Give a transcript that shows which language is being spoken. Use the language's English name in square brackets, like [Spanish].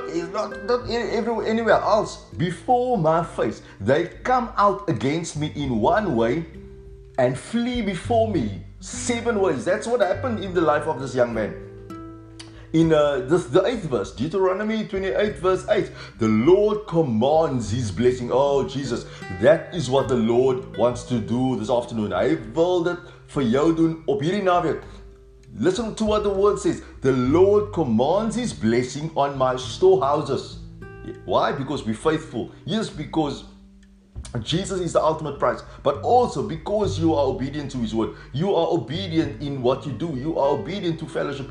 [English] Not anywhere else. Before my face, they come out against me in one way and flee before me seven ways. That's what happened in the life of this young man. In the 8th verse, Deuteronomy 28 verse 8, the Lord commands his blessing. Oh Jesus, that is what the Lord wants to do this afternoon. [Afrikaans] Hy wil dit vir jou doen op hierdie naweek. [English] Listen to what the word says. The Lord commands his blessing on my storehouses. Why? Because we're faithful. Yes, because Jesus is the ultimate prize. But also because you are obedient to his word. You are obedient in what you do. You are obedient to fellowship.